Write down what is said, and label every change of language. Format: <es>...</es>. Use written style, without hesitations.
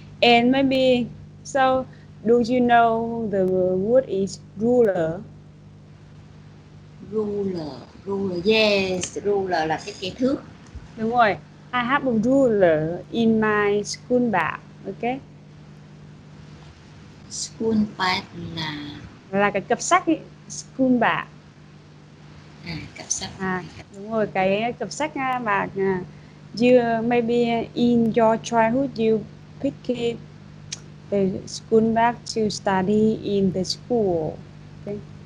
<en>And maybe, so do you know the word is ruler? Ruler, yes,</en> <vi>ruler là cái kẻ thước. Đúng rồi,</vi> <en>I have a ruler in my school bag, okay.</en> <vi>School bag là? Là cái cặp sách ấy, school bag. Cặp sách. Đúng rồi, cái cặp sách mà</vi> <en>you maybe in your childhood you pick it, the school bag to study in the school, okay.</en>